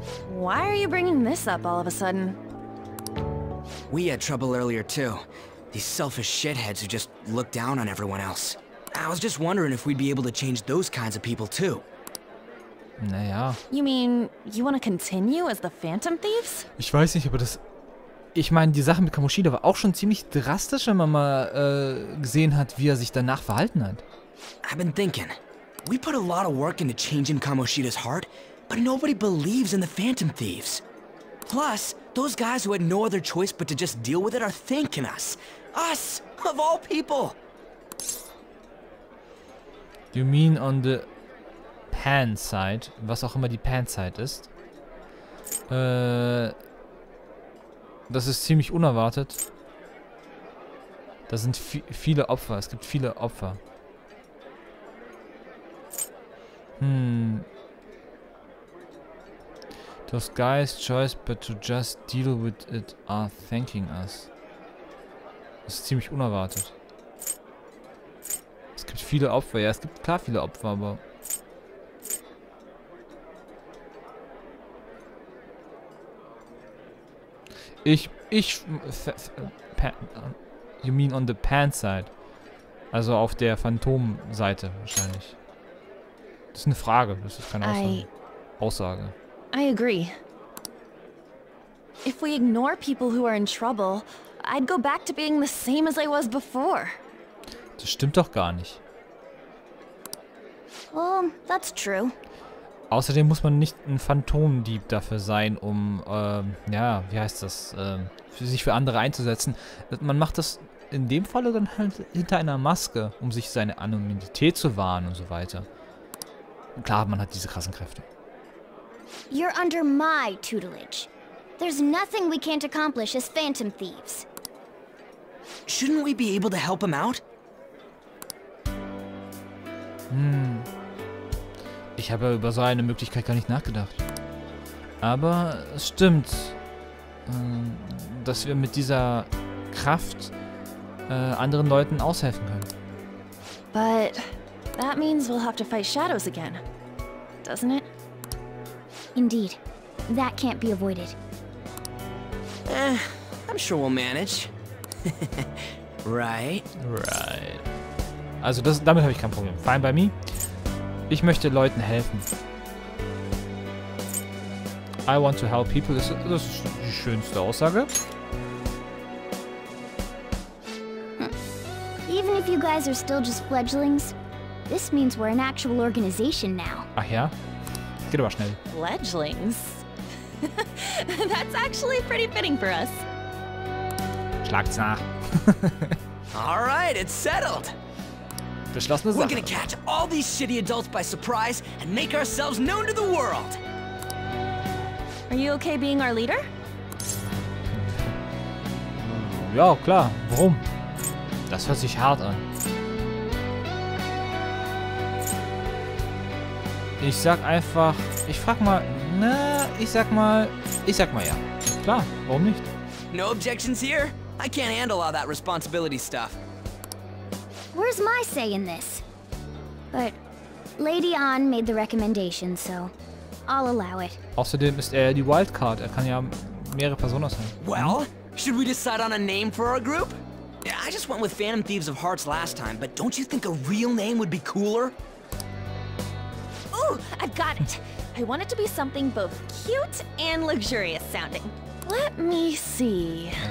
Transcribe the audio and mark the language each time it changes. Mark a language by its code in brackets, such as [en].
[en] Why are you bringing this up all of a sudden? We had trouble earlier too. These selfish shitheads who just look down on everyone else. I was just wondering if we'd be able to change those kinds of people too. [de] Naja. [en] You mean you want to continue as the Phantom Thieves? [de] Ich weiß nicht, aber das. Ich meine, die Sache mit Kamoshida war auch schon ziemlich drastisch, wenn man mal gesehen hat, wie er sich danach verhalten hat. [en] I've been thinking. We put a lot of work into changing Kamoshida's heart, but nobody believes in the Phantom Thieves. Plus, those guys who had no other choice but to just deal with it are thanking us. Us, of all people. You mean on the Pan side, [de] was auch immer die Pan side ist. Das ist ziemlich unerwartet. Da sind viele Opfer, es gibt viele Opfer. [en] Those guys' choice but to just deal with it are thanking us. [de] Das ist ziemlich unerwartet. Es gibt viele Opfer, ja, es gibt klar viele Opfer, aber. [en] You mean on the Pan side? [de] Also auf der Phantom-Seite wahrscheinlich. Das ist eine Frage, das ist keine Aussage. [en] I agree. If we ignore people who are in trouble, I'd go back to being the same as I was before. [de] Das stimmt doch gar nicht. [en] Well, that's true. [de] Außerdem muss man nicht ein Phantomdieb dafür sein, um, ja, wie heißt das, sich für andere einzusetzen. Man macht das in dem Falle dann halt hinter einer Maske, um sich seine Anonymität zu wahren und so weiter. Klar, man hat diese krassen Kräfte. [en] You're under my tutelage. There's nothing we can't accomplish as Phantom Thieves. Shouldn't we be able to help him out? [de] Ich habe über so eine Möglichkeit gar nicht nachgedacht. Aber es stimmt, dass wir mit dieser Kraft anderen Leuten aushelfen können. [en] But that means we'll have to fight shadows again. Doesn't it? Indeed. That can't be avoided. I'm sure we'll manage. Right? Right. [de] Also das, damit habe ich kein Problem. [en] Fine by me. [de] Ich möchte Leuten helfen. [en] I want to help people. [de] Das ist die schönste Aussage. [en] Even if you guys are still just fledglings, this means we're an actual organization now. [de] Ach ja? Geht aber schnell. [en] Fledglings? That's actually pretty fitting for us. [de] Schlagt's nach. [en] All right, it's settled. [de] Beschlossene Sache. [en] We're gonna catch all these shitty adults by surprise and make ourselves known to the world. Are you okay being our leader? [de] Ja, klar. Warum? Das hört sich hart an. Ich sag einfach, ich frag mal, na, ich sag mal ja. Klar, warum nicht? [en] No objections here. I can't handle all that responsibility stuff. Where's my say in this? But Lady Anne made the recommendation, so I'll allow it. [de] Außerdem ist er die Wildcard. Er kann ja mehrere Personas sein. [en] Well, should we decide on a name for our group? I just went with Phantom Thieves of Hearts last time, but don't you think a real name would be cooler? Ooh, I've got it. I want it to be something both cute and luxurious sounding. Let me see.